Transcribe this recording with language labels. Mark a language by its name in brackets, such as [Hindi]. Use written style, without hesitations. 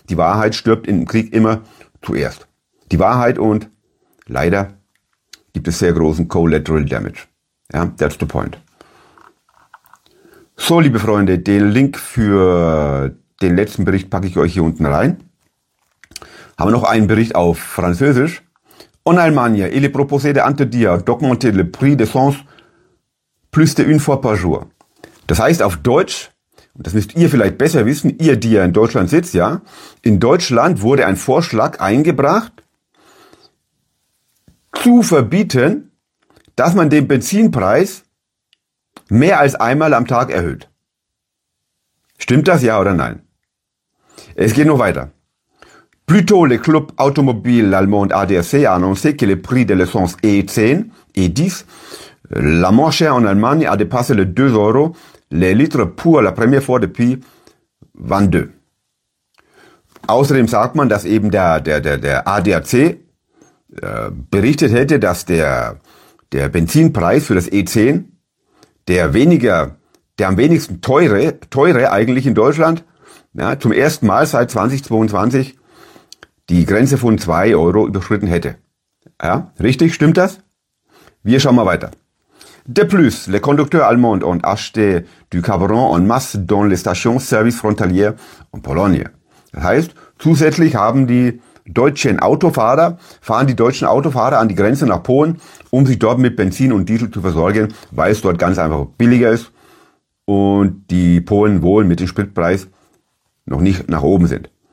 [German] Die Wahrheit stirbt im Krieg immer zuerst. Die Wahrheit und leider gibt es sehr großen Collateral Damage. [English] Ja, that's the point. [German] So, liebe Freunde, den Link für den letzten Bericht packe ich euch hier unten rein. Haben wir noch einen Bericht auf Französisch. [French] En Allemagne, il est proposé de interdire d'augmenter le prix de l'essence plus de une fois par jour. [German] Das heißt auf Deutsch, und das müsst ihr vielleicht besser wissen, ihr, die ja in Deutschland sitzt, ja, in Deutschland wurde ein Vorschlag eingebracht, zu verbieten, dass man den Benzinpreis mehr als einmal am Tag erhöht. Stimmt das, ja oder nein? Es geht noch weiter. [French] Plutôt le club automobile allemand ADAC a annoncé que le prix de l'essence E10, E10, la moins chère en Allemagne a dépassé les 2 euros le litre pour la première fois depuis 22. [German] Außerdem sagt man, dass eben der ADAC berichtet hätte, dass der Benzinpreis für das E10, der am wenigsten teure eigentlich in Deutschland, ja, zum ersten Mal seit 2022 die Grenze von 2 Euro überschritten hätte. Ja, richtig, stimmt das? Wir schauen mal weiter. [French] De plus, le conducteur allemand ont acheté du carburant en masse dans les stations service frontalier en Pologne. [German] Das heißt, zusätzlich haben die deutschen Autofahrer an die Grenze nach Polen, um sich dort mit Benzin und Diesel zu versorgen, weil es dort ganz einfach billiger ist und die Polen wohl mit dem Spritpreis noch nicht nach oben sind.